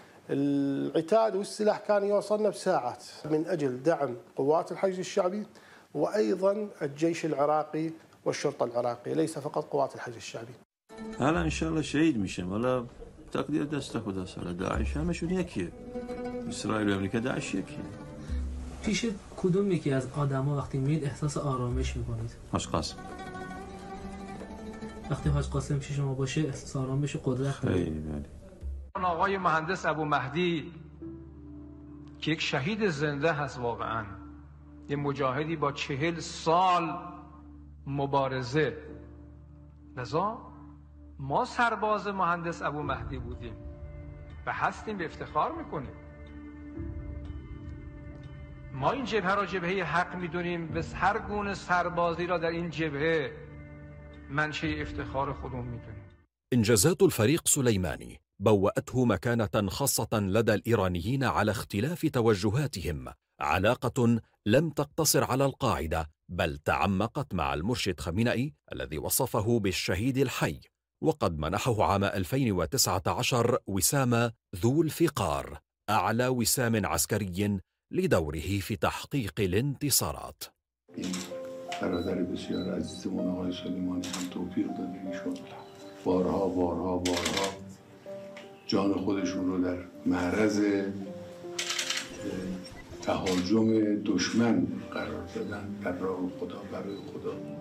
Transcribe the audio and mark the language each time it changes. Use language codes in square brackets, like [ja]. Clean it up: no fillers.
[ar] العتاد والسلاح كان يوصلنا بساعات من أجل دعم قوات الحشد الشعبي وأيضا الجيش العراقي والشرطة العراقية ليس فقط قوات الحشد الشعبي. هلا إن شاء الله شهيد مشم ولا تقدير دستك وداسر داعش هم شو نيكي إسرائيل وأمريكا داعش يكي [fa] پیش کدوم یکی از آدم‌ها وقتی میاد احساس آرامش میکنید؟ حاج قاسم. وقتی حاج قاسم پیش شما باشه احساس آرامش و قدرت خیلی میاد. آقای مهندس ابو مهدی که یک شهید زنده هست واقعا، یه مجاهدی با 40 سال مبارزه. لذا ما سرباز مهندس ابو مهدی بودیم و هستیم، به افتخار میکنیم. ما این جبهه را جبهه حق میدونیم و هر گونه سربازی را در این جبهه منشأ افتخار خودمون میدونیم. [ar] انجازات الفريق سليماني بوأته مكانة خاصة لدى الإيرانيين على اختلاف توجهاتهم، علاقة لم تقتصر على القاعدة بل تعمقت مع المرشد خامنئي الذي وصفه بالشهيد الحي، وقد منحه عام 2019 وسام ذو الفقار أعلى وسام عسكري لدوره في تحقيق الانتصارات. [fa] برادر بسیار عزیزمون آقای سلیمانی هم توفیق داده ایشون بارها جان خودشون رو در معرض تهاجم دشمن قرار دادن در راه خدا برای خدا.